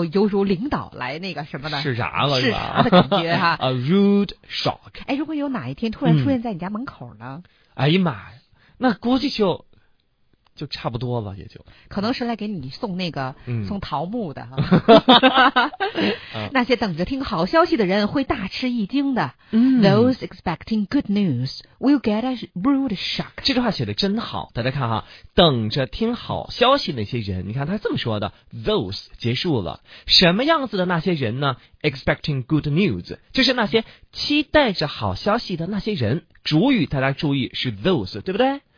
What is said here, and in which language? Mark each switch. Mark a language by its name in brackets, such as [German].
[Chinese] 犹如领导来那个什么的视察了是吧？视察的感觉哈 [English] ，a rude shock。 [Chinese] 哎，如果有哪一天突然出现在你家门口呢？哎呀妈呀，那估计就差不多了，也就可能是来给你送那个送桃木的、啊、那些等着听好消息的人会大吃一惊的、 [English] Those expecting good news will get a rude shock。 [Chinese] 这句话写得真好，大家看哈，等着听好消息那些人，你看他这么说的， those 结束了，什么样子的那些人呢？ [English] expecting good news [Chinese] 就是那些期待着好消息的那些人，主语大家注意是 those， 对不对？